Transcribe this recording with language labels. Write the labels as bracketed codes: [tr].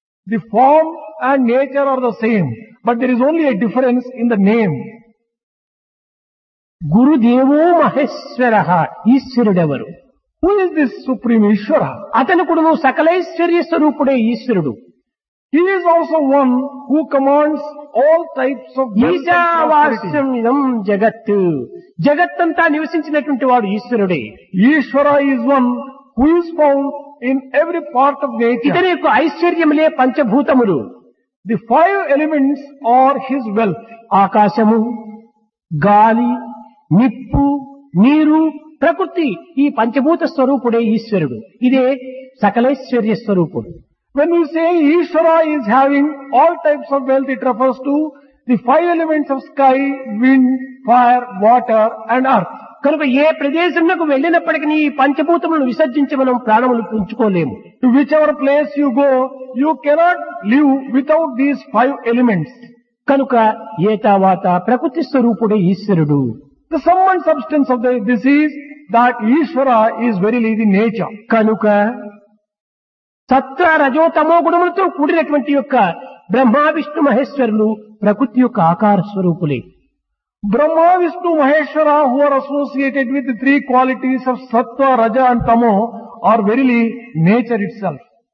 [en] The form and nature are the same but there is only a difference in the name. [sa] గురుదేవో Maheshwara. [te] ఈశ్వరుడెవరు? [en] Who is this supreme Ishwara? [te] అతను కూడా సకలైశ్వర్య స్వరూపుడే ఈశ్వరుడు. [en] He is also one who commands all types of [sa] ఈశావాస్యం జగత్. [te] జగత్తంతా నివసించినటువంటి వాడు ఈశ్వరుడే. [en] Ishwara is one who is found in every part of nature. [te] ఇతని యొక్క ఐశ్వర్యములే పంచభూతములు. [en] The five elements are his wealth. [te] ఆకాశము, గాలి, నిప్పు, నీరు, ప్రకృతి, ఈ పంచభూత స్వరూపుడే ఈశ్వరుడు. ఇదే సకలైశ్వర్య స్వరూపుడు. [en] When we say Ishvara is having all types of wealth, it refers to the five elements of sky, wind, fire, water and earth. [te] కనుక ఏ ప్రదేశంలోకి వెళ్ళినప్పటికీ ఈ పంచభూతములను విసర్జించి మనం ప్రాణములు పుంచుకోలేము. [en] To whichever place you go you cannot live without these five elements. [te] కనుక ఏతావాత ప్రకృతి స్వరూపుడే ఈశ్వరుడు. [en] The sum and substance of this is that Ishvara is verily the nature. [te] కనుక సత్వ రజో తమో గుణములతో కూడినటువంటి యొక్క బ్రహ్మా విష్ణు మహేశ్వరులు ప్రకృతి యొక్క ఆకార స్వరూపులే. [en] Brahma Vishnu Maheshwara who are associated with three qualities of sattva raja and tamo are verily nature itself.